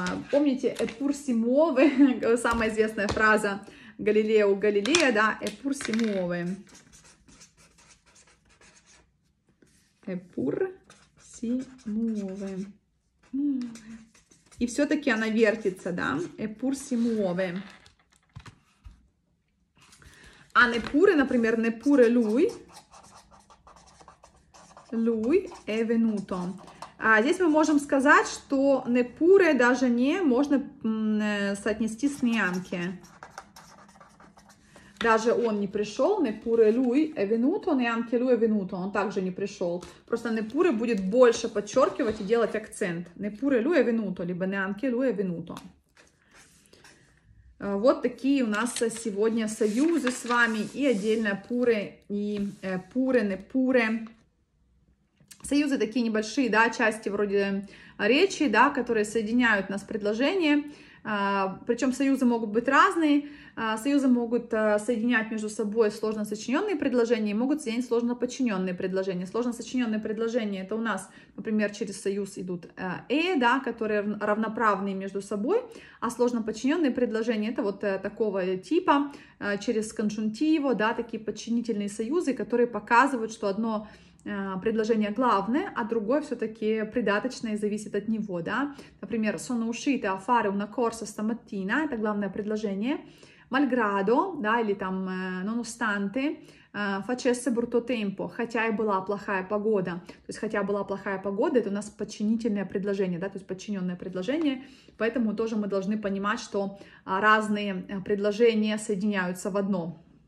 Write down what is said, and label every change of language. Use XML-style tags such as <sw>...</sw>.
<ru>Помните</ru> <it>эпур симуове,</it> <ru>самая известная фраза Галилео Галилея, да?</ru> <it>Эпур симуове. Эпур симуове.</it> <ru>И все-таки она вертится, да?</ru> <it>Эпур симуове. А neppure,</it> <ru>например,</ru> <it>neppure lui, lui è venuto.</it> <ru>А здесь мы можем сказать, что neppure, даже не, можно соотнести с neanche. Даже он не пришел,</ru> <it>neppure lui è venuto,</it> <ru>neanche lui è venuto, он также не пришел. Просто neppure будет больше подчеркивать и делать акцент.</ru> <it>Neppure lui è venuto,</it> <ru>либо</ru> <it>neanche lui è venuto.</it> <ru>Вот такие у нас сегодня союзы с вами и отдельно пуре и пуре, непуре. Союзы такие небольшие, да, части вроде речи, да, которые соединяют нас в предложение. Причем союзы могут быть разные. Союзы могут соединять между собой сложно сочиненные предложения и могут соединять сложно подчиненные предложения. Сложно сочиненные предложения — это у нас, например, через союз идут да, которые равноправные между собой, а сложно подчиненные предложения — это вот такого типа, через конжунтиво, да, такие подчинительные союзы, которые показывают, что одно предложение главное, а другое все-таки придаточное и зависит от него, да.</ru> <it>Например, «Sono uscita a fare una corsa stamattina» —</it> <ru>это главное предложение.</ru> <it>Malgrado,</it> <ru>да, или там</ru> <it>nonostante, facesse brutto tempo,</it> <ru>хотя и была плохая погода. То есть хотя была плохая погода, это у нас подчинительное предложение, да, то есть подчиненное предложение. Поэтому тоже мы должны понимать, что разные предложения соединяются в одно.</ru>